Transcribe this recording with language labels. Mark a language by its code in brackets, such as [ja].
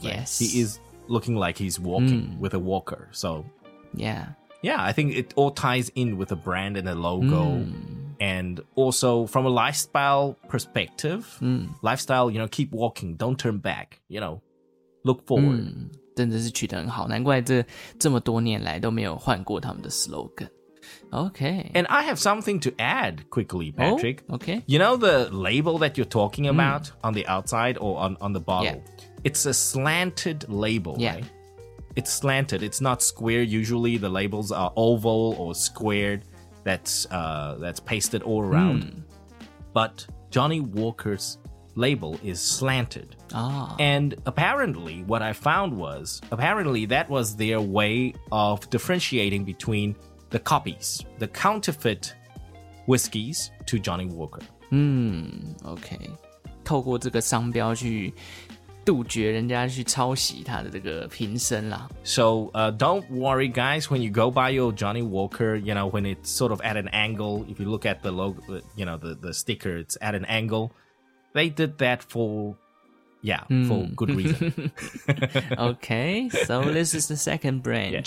[en] Right? He is looking like he's walking、mm. with a walker. So, yeah. Yeah, I think it all ties in with the brand and the logo.、 Mm. And also from a lifestyle perspective,、 mm. lifestyle, you know, keep walking, don't turn back, you know, look forward.、 Mm. [zh] 真的是取得很好，难怪这么多年来都没有换过他们的 slogan. [en] Okay. And I have something to add quickly, Patrick. Oh, okay. You know the label that you're talking about on the outside or on the bottle? Yeah. It's a slanted label, yeah. right? It's slanted. It's not square. Usually the labels are oval or squared that's pasted all around. Mm. But Johnnie Walker's label is slanted. Ah. And apparently what I found was, apparently that was their way of differentiating between the copies, the counterfeit whiskies to Johnnie Walker. Hmm, okay. [zh] 透过这个商标去杜绝人家去抄袭他的这个瓶身啦。 [en] So, don't worry, guys, when you go buy your Johnnie Walker, you know, when it's sort of at an angle, if you look at the logo, you know, the sticker, it's at an angle. They did that for good reason. Okay, so this is the second brand, yes.